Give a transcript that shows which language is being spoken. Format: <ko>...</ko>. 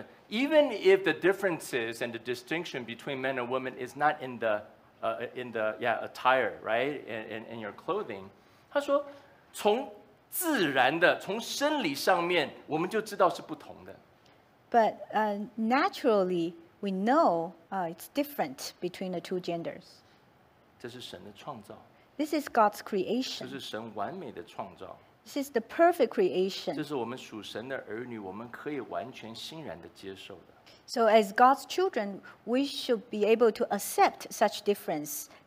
<en>Even if the differences and the distinction between men and women is not in the attire, right, in your clothing,</en> <zh>他说，从自然的，从生理上面，我们就知道是不同的。</zh> <en>But naturally, we know it's different between the two genders.</en> <zh>这是神的创造。</zh> <en>This is God's creation.</en> <zh>这是神完美的创造。</zh> <en>This is the perfect creation.</en> <zh>这是我们属神的儿女，我们可以完全欣然的接受的。</zh> <en>So as God's children, we should be able to accept such difference</en>